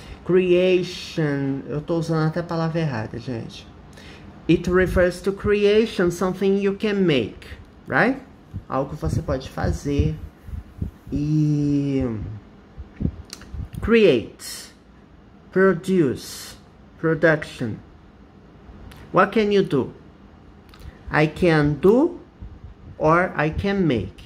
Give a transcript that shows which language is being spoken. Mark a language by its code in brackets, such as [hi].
[pt] Creation, eu tô usando até a palavra errada, gente. [en] It refers to creation, something you can make, right? [pt] Algo que você pode fazer e create, produce. [en] Production. What can you do? I can do or I can make.